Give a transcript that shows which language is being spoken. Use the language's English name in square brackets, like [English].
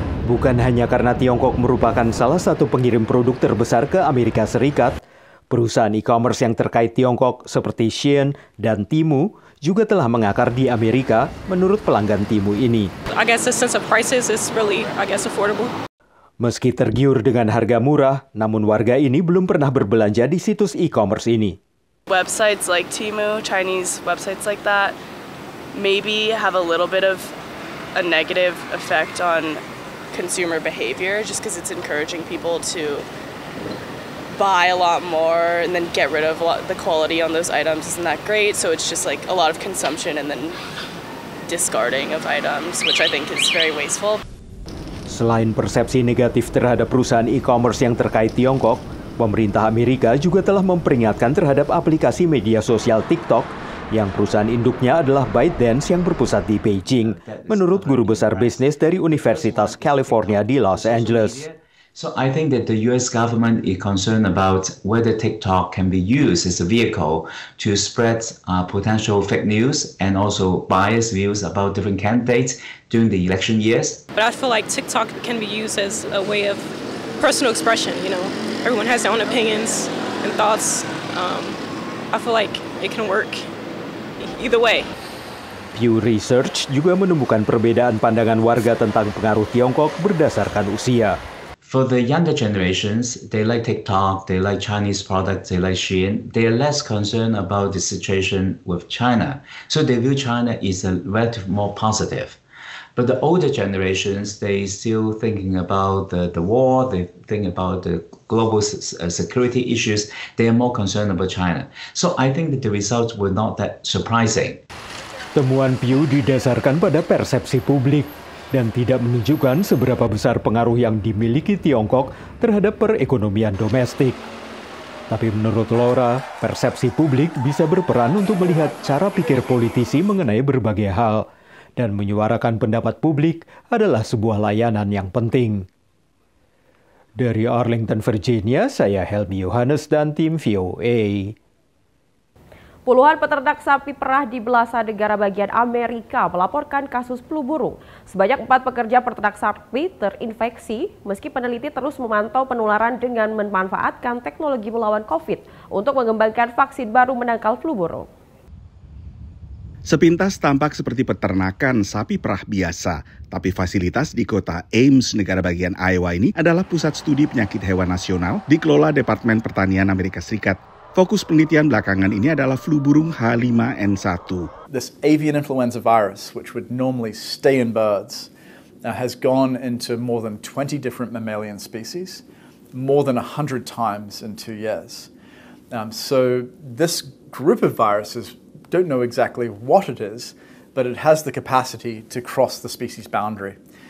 [Indonesian] Bukan hanya karena Tiongkok merupakan salah satu pengirim produk terbesar ke Amerika Serikat, perusahaan e-commerce yang terkait Tiongkok seperti Shein dan Temu juga telah mengakar di Amerika menurut pelanggan Temu ini. [English] I guess the sense of prices is really, affordable. [Indonesian] Meski tergiur dengan harga murah, namun warga ini belum pernah berbelanja di situs e-commerce ini. [English] Websites like Temu, Chinese websites like that, maybe have a little bit of a negative effect on consumer behavior, just because it's encouraging people to buy a lot more and then get rid of the quality on those items. Isn't that great? So it's just like a lot of consumption and then discarding of items, which I think is very wasteful. [Indonesian] Selain persepsi negatif terhadap perusahaan e-commerce yang terkait Tiongkok, pemerintah Amerika juga telah memperingatkan terhadap aplikasi media sosial TikTok yang perusahaan induknya adalah ByteDance yang berpusat di Beijing, menurut guru besar bisnis dari Universitas California di Los Angeles. [English] So I think that the US government is concerned about whether TikTok can be used as a vehicle to spread potential fake news and also biased views about different candidates during the election years. But I feel like TikTok can be used as a way of personal expression, you know. Everyone has their own opinions and thoughts. I feel like it can work either way. [Indonesian] Pew Research juga menemukan perbedaan pandangan warga tentang pengaruh Tiongkok berdasarkan usia. [English] For the younger generations, they like TikTok, they like Chinese products, they like Shein. They are less concerned about the situation with China. So they view China is a relative more positive. But the older generations, they still thinking about the war, they think about the global security issues. They are more concerned about China. So I think that the results were not that surprising. [Indonesian] Temuan Pew didasarkan pada persepsi publik dan tidak menunjukkan seberapa besar pengaruh yang dimiliki Tiongkok terhadap perekonomian domestik. Tapi menurut Laura, persepsi publik bisa berperan untuk melihat cara pikir politisi mengenai berbagai hal, dan menyuarakan pendapat publik adalah sebuah layanan yang penting. Dari Arlington, Virginia, saya Helmy Yohanes dan tim VOA. Puluhan peternak sapi perah di belasan negara bagian Amerika melaporkan kasus flu burung. Sebanyak 4 pekerja peternak sapi terinfeksi, meski peneliti terus memantau penularan dengan memanfaatkan teknologi melawan COVID untuk mengembangkan vaksin baru menangkal flu burung. Sepintas tampak seperti peternakan sapi perah biasa, tapi fasilitas di kota Ames, negara bagian Iowa ini adalah pusat studi penyakit hewan nasional dikelola Departemen Pertanian Amerika Serikat. Fokus penelitian belakangan ini adalah flu burung H5N1. [English] This avian influenza virus, which would normally stay in birds, has gone into more than 20 different mammalian species, more than 100 times in 2 years. So this group of viruses don't know exactly what it is, but it has the capacity to cross the species boundary.